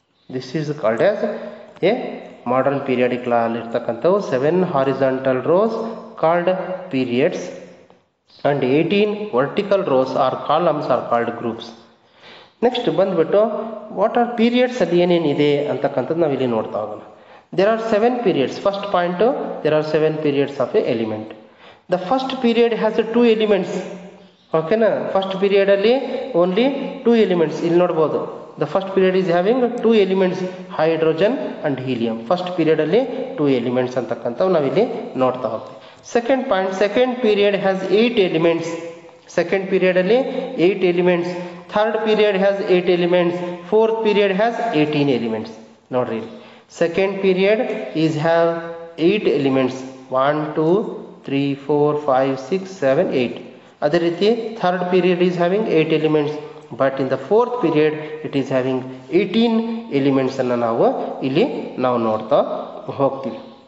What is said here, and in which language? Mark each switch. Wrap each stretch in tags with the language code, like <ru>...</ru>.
<en>this is called as a modern periodic law</en> <kn>ಅಲ್ಲಿ ಇರ್ತಕ್ಕಂಥವು</kn> <en>7 horizontal rows called periods and 18 vertical rows or columns are called groups.</en> <kn>Next ಬಂದ್ಬಿಟ್ಟು</kn> <en>what are periods</en> <kn>ಅಲ್ಲಿ ಏನೇನಿದೆ ಅಂತಕ್ಕಂಥದ್ದು ನಾವಿಲ್ಲಿ ನೋಡ್ತಾ ಹೋಗೋಣ.</kn> <en>There are 7 periods. First point, there are 7 periods of a element. The first period has two elements. ಓಕೆನ first period ಅಲ್ಲಿ only two elements</en> <kn>ಇಲ್ಲಿ ನೋಡ್ಬೋದು</kn> <en>the first period is having two elements hydrogen and helium first period ಅಲ್ಲಿ two elements</en> <kn>ಅಂತಕ್ಕಂಥವು ನಾವಿಲ್ಲಿ ನೋಡ್ತಾ ಹೋಗ್ತೀವಿ</kn> <en>second point second period has eight elements second period ಅಲ್ಲಿ eight elements third period has eight elements fourth period has eighteen elements ನೋಡ್ರಿ second period is have eight elements one two three four five six seven eight</en> <kn>ಅದೇ ರೀತಿ</kn> <en>third period is having eight elements but in the fourth period it is having eighteen ಎಲಿಮೆಂಟ್ಸನ್ನು</en> <kn>ನಾವು ಇಲ್ಲಿ ನಾವು ನೋಡ್ತಾ ಹೋಗ್ತೀವಿ</kn>